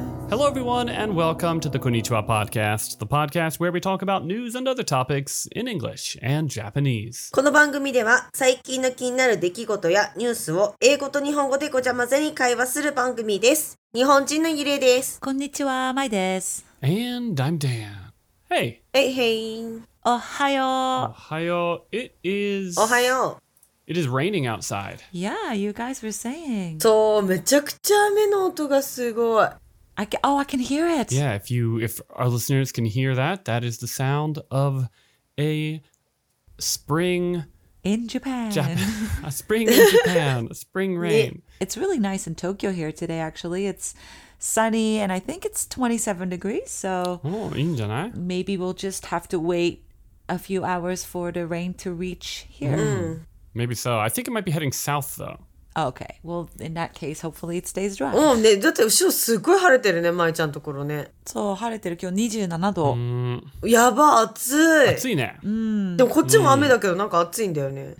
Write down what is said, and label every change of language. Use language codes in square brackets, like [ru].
[en] Hello, everyone, and welcome to the Konnichiwa Podcast, the podcast where we talk about news and other topics in English and Japanese. [ja] この番組では最近の気になる出来事やニュースを英語と日本語でごちゃ混ぜに会話する番組です。日本人のゆれです。こんにちは、まいです。 [en] And I'm Dan. Hey! Hey, hey! [ja] おはよう。おはよう。 [en] It is... [ja] おはよう。 [en] It is raining outside. Yeah, you guys were saying. [ja] そう、めちゃくちゃ雨の音がすごい。 [en] I can hear it. Yeah, if our listeners can hear that, that is the sound of a spring... In Japan. A spring in Japan. A spring rain. It's really nice in Tokyo here today, actually. It's sunny, and I think it's 27 degrees, so... [ja] Oh, いいんじゃない? [en] Maybe we'll just have to wait a few hours for the rain to reach here. Mm. Maybe so. I think it might be heading south, though. Okay, well, in that case, hopefully it stays dry. [ja] うんね、だって後ろすごい晴れてるね、まいちゃんところね。そう、晴れてる、今日27度。やば、暑い。暑いね。でもこっちも雨だけど、なんか暑いんだよね。